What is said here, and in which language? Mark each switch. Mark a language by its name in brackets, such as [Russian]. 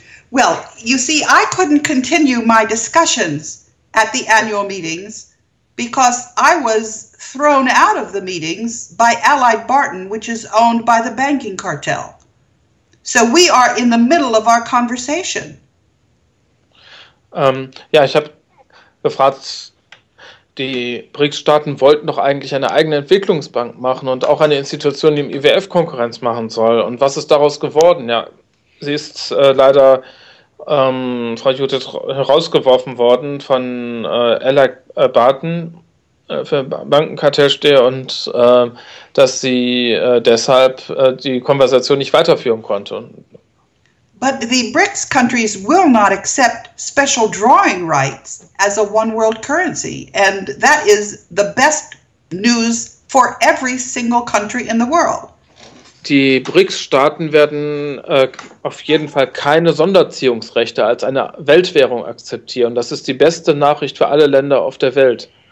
[English] Well, you see, I couldn't continue my discussions at the annual meetings because I was thrown out of the meetings by Allied Barton, which is owned by the banking cartel. So we are in the middle of our conversation. [German] Ja, ich habe gefragt, die BRICS-Staaten wollten doch eigentlich eine eigene Entwicklungsbank machen und auch eine Institution, die im IWF Konkurrenz machen soll. Und was ist daraus geworden? Ja, sie ist leider, Frau Judith, herausgeworfen worden von Ella Barton, für Bankenkartell stehe, und dass sie deshalb die Konversation nicht weiterführen konnte. [English] But the BRICS countries will not accept special drawing rights as a one world currency. And that is the best news for every single country in the world. [German] Die BRICS-Staaten werden auf jeden Fall keine Sonderziehungsrechte als eine Weltwährung akzeptieren. Das ist die beste Nachricht für alle Länder auf der Welt.